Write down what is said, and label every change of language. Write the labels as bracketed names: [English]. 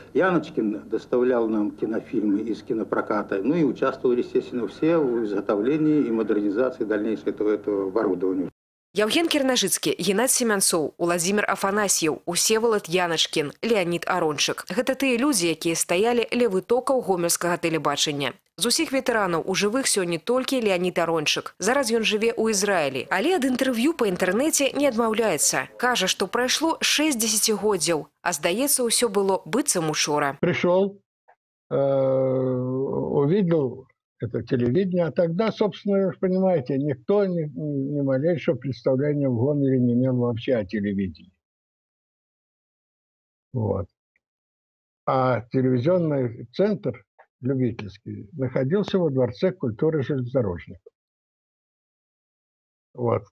[Russian] Яночкин доставлял нам кинофильмы из кинопроката, ну и участвовал, естественно, все в изготовлении и модернизации дальнейшего этого оборудования. Евген Кирножицкий, Геннадь Семенцов, Владимир Афанасьев, Усеволод Яночкин, Леонид Арончик. Это те люди, которые стояли ля вытоков гомельского телебачення. [Belarusian] З усіх ветеранаў у живых сёння толькі Леонид Арончык. Зараз ён жыве ў Ізраілі. Але ад інтэрв'ю па інтэрнэце не адмаўляецца. Кажа, што прайшло 60 годзяў, а здаецца, ўсё было быццам учора. Прыйшоў, увідзеў [Russian] это телевидение, а тогда, собственно, вы понимаете, никто ни малейшего представления в Гомеле не имел вообще о телевидении. Вот. А телевизионный центр любительский находился во дворце культуры железнодорожников. Вот.